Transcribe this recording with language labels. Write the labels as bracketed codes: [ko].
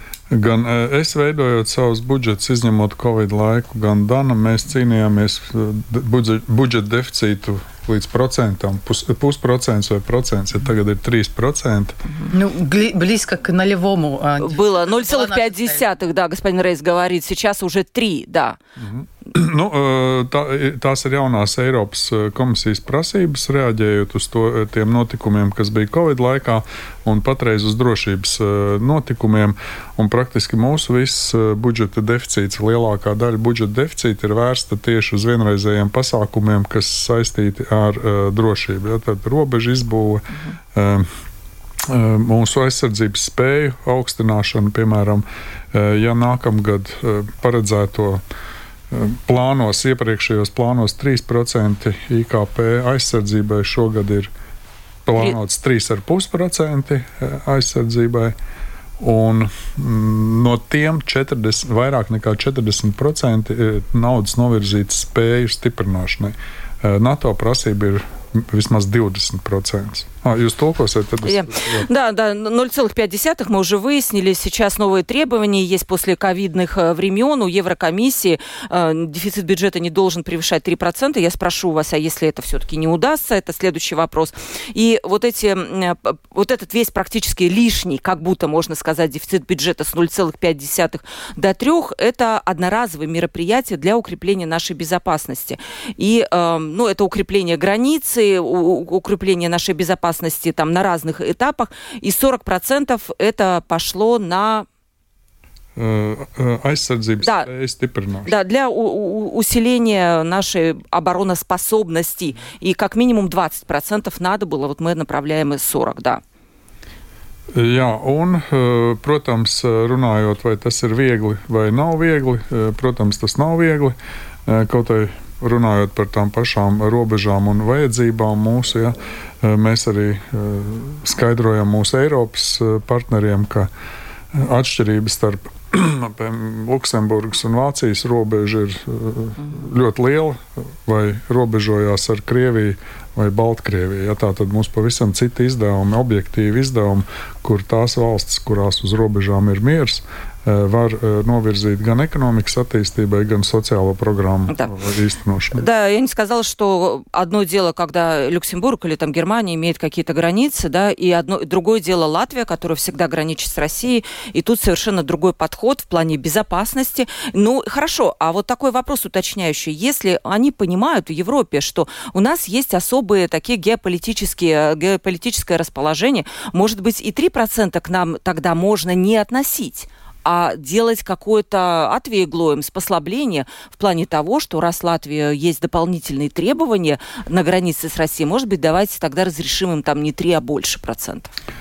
[lv] Gan es veidojot savus budžetus, izņemot Covid laiku, gan Dana, mēs cīnījāmies budžeta deficītu līdz procentam, pusprocents vai procents, ja tagad ir 3%. [ru] Nu, blisko k nulevomu. Было 0,5, да, господин Рейс говорит, сейчас уже 3, да. [lv] Ну, tās ir jaunās Eiropas komisijas prasības, reaģējot uz to, tiem notikumiem, kas bija Covid laikā, un patreiz uz drošības notikumiem, un praktiski mūsu viss budžeta deficīts, lielākā daļa budžeta deficīta ir vērsta tieši uz vienreizējiem pasākumiem, kas saistīti ar drošību. Ja, tad robeža izbūve, mūsu aizsardzības spēju augstināšanu, piemēram, ja nākamgad paredzēto plānos, iepriekšējos plānos 3% IKP aizsardzībai, šogad ir plānots 3,5% aizsardzībai, un no tiem 40, vairāk nekā 40% naudas novirzītas spēju stiprināšanai. NATO prasība ir vismaz 20%. Jūs [ru] толкуете это. Да, да, 0,5 мы уже выяснили, сейчас новые требования есть после ковидных времен у Еврокомиссии, дефицит бюджета не должен превышать 3%. Я спрошу вас, а если это все-таки не удастся, это следующий вопрос. И вот эти, вот этот весь практически лишний, как будто можно сказать, дефицит бюджета с 0,5 до 3, это одноразовые мероприятия для укрепления нашей безопасности. И, ну, это укрепление границы, укрепление нашей безопасности, опасности там на разных этапах, и 40% это пошло на [lv] айсардзибс, стипернаш. [ru] Да, для усиления нашей обороноспособности, и как минимум 20% надо было, вот мы направляем из 40, да. [lv] Jā, un, protams, runājot, vai tas ir viegli, vai nav viegli, protams, tas nav viegli, kaut vai runājot par tām pašām robežām un vajadzībām mūsu, ja, mēs arī skaidrojam mūsu Eiropas partneriem, ka atšķirības starp Luksemburgas un Vācijas robeža ir ļoti liela, vai robežojās ar Krieviju vai Baltkrieviju. Ja, tā tad mums pavisam citi izdevumi, objektīvi izdevumi, kur tās valstis, kurās uz robežām ir miers, var новирзить gan [ru] экономикой, соответствующей, [lv] gan [ru] социальной программой. Да, я не сказала, что одно дело, когда Люксембург или там Германия имеет какие-то границы, да, и одно, другое дело Латвия, которая всегда граничит с Россией, и тут совершенно другой подход в плане безопасности. Ну, хорошо, а вот такой вопрос уточняющий. Если они понимают в Европе, что у нас есть особые такие геополитические, геополитическое расположение, может быть, и 3% к нам тогда можно не относить, а делать какое-то отвеглоем с послаблением в плане того, что раз в Латвии есть дополнительные требования на границе с Россией, может быть, давайте тогда разрешим им там не 3, а больше процентов.